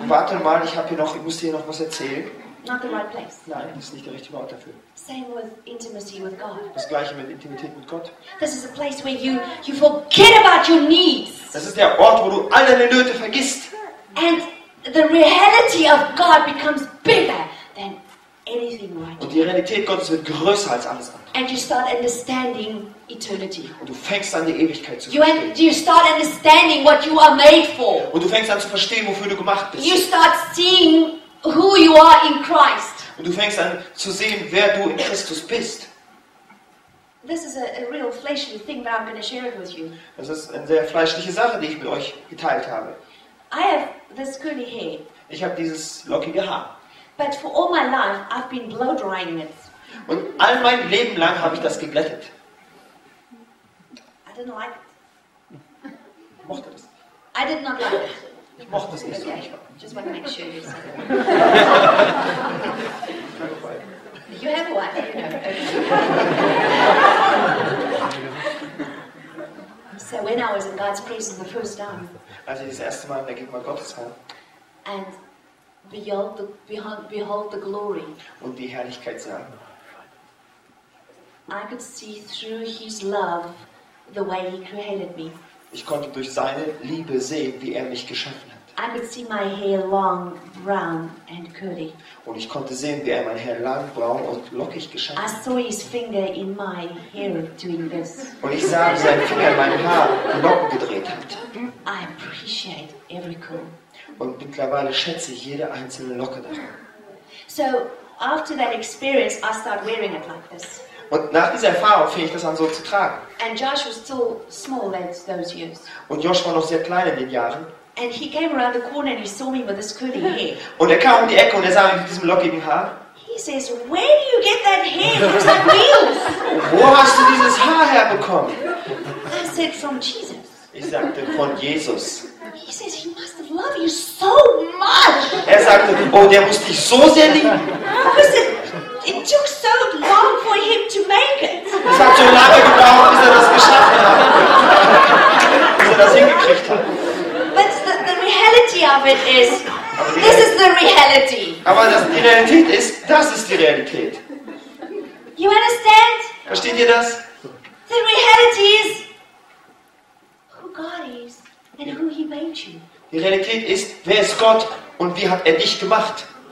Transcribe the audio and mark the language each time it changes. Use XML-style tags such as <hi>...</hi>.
<de>Warte mal, ich muss dir noch was erzählen.</de> <en>Not the right place.</en> <de>Nein, das ist nicht der richtige Ort dafür.</de> <en>Same with intimacy with God.</en> <de>Das gleiche mit Intimität mit Gott.</de> <en>This is a place where you forget about your needs.</en> <de>Das ist der Ort, wo du all deine Nöte vergisst.</de> <en>And the reality of God becomes bigger than anything right now.</en> <de>Und die Realität Gottes wird größer als alles andere.</de> <en>And you start understanding eternity.</en> <de>Und du fängst an, die Ewigkeit zu verstehen.</de> <en>You start understanding what you are made for.</en> <de>Und du fängst an zu verstehen, wofür du gemacht bist.</de> <en>You start seeing who you are in Christ.</en> <de>Und du fängst an zu sehen, wer du in Christus bist.</de> <en>This is a real fleshly thing that I'm going to share it with you.</en> <de>Das ist eine sehr fleischliche Sache, die ich mit euch geteilt habe.</de> <en>I have this curly hair.</en> <de>Ich habe dieses lockige Haar.</de> <en>But for all my life, I've been blow drying it.</en> <de>Und all mein Leben lang habe ich das geglättet.</de> <en>I didn't like it.</en> <de>Ich mochte das.</de> <en>I did not like it.</en> <de>Ich mochte es nicht.</de> <en>Okay. So. Just want to make sure you said it. You have a wife, you know. So when I was in God's presence the first time.</en> <de>Also das erste Mal in der Gegenwart Gottes war.</de> <en>And behold the glory.</en> <de>Und die Herrlichkeit sah.</de> <en>I could see through His love the way He created me.</en> <de>Ich konnte durch seine Liebe sehen, wie er mich geschaffen hat.</de> <en>I could see my hair long, brown and curly.</en> <de>Und ich konnte sehen, wie er mein Haar lang, braun und lockig geschaffen hat.</de> <en>I saw His finger in my hair doing this.</en> <de>Und ich sah, wie sein Finger mein Haar locken gedreht hat.</de> <en>I appreciate every curl.</en> <de>Und mittlerweile schätze ich jede einzelne Locke daran.</de> <en>So after that experience, I start wearing it like this.</en> <de>Und nach dieser Erfahrung fing ich das an so zu tragen.</de> <en>And Josh was still small those years.</en> <de>Und Josh war noch sehr klein in den Jahren.</de> <en>And he came around the corner and he saw me with this curly hair.</en> <de>Und er kam um die Ecke und er sah mich mit diesem lockigen Haar.</de> <en>He says, "Where do you get that hair? It looks like wheels."</en> <de>Wo hast du dieses Haar herbekommen?</de> <en>I said, "From Jesus."</en> <de>Ich sagte, von Jesus.</de> <en>He says, "He must have loved you so much."</en> <de>Er sagte, oh, der muss dich so sehr lieben.</de> <en>Because it took so long for him to make it.</en> <de>Es hat so lange gedauert, bis er das geschafft hat, bis er das hingekriegt hat.</de> <en>But the reality of it is, this is the reality.</en> <de>Aber das, die Realität ist, das ist die Realität.</de> <en>You understand?</en> <de>Versteht ihr das?</de> <en>The reality is who God is and who He made you.</en> <de>Die Realität ist, wer ist Gott und wie hat er dich gemacht?</de>